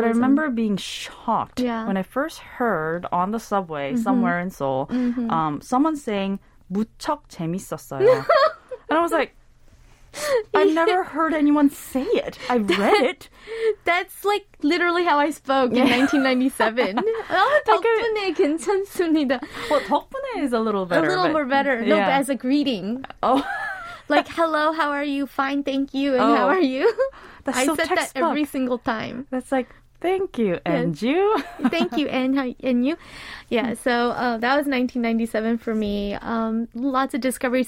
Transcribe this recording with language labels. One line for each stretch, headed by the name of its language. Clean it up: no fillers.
English: But I remember being shocked when I first heard on the subway somewhere in Seoul, someone saying,
Korean: "무척 재밌었어요."
English: And I was like, I've never heard anyone say it. I've read it. That's like literally how I spoke in 1997.
Korean: Oh, 덕분에 괜찮습니다.
English: Well, 덕분에 is a little better. A little more better. Yeah. No, but as a greeting. Oh. Like, hello, how are you? Fine, thank you. And how are you? That's I so said textbook. That every single time. That's like, thank you, and you. Thank you, and you. Yeah, so that was 1997 for me. Lots of discoveries.